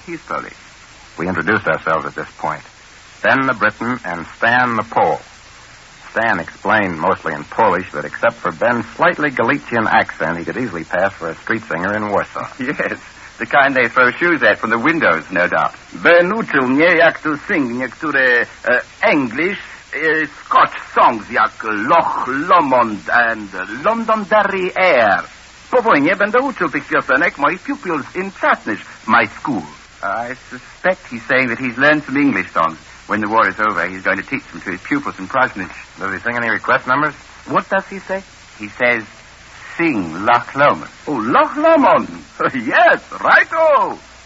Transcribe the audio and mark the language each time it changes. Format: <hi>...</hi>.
<en>He's Polish. We introduced ourselves at this point. Ben the Briton and Stan the Pole. Stan explained, mostly in Polish, that except for Ben's slightly Galician accent, he could easily pass for a street singer in Warsaw. Yes, the kind they throw shoes at from the windows, no doubt.</en> <pl>Ben uczył mnie, jak to</pl> <en>sing</en> <pl>niektóre</pl> <en>English, Scotch songs,</en> <pl>jak Loch Lomond</pl> <en>and Londonderry Air.</en> <pl>Po wojnie będę uczył tych piosenek</pl> <en>my pupils in</en> <pl>Czasnysz,</pl> <en>my school. I suspect he's saying that he's learned some English songs. When the war is over, he's going to teach them to his pupils in Prasnich. Does he sing any request numbers? What does he say? He says, sing Loch Lomond. Oh, Loch Lomond. Yes, righto.</en>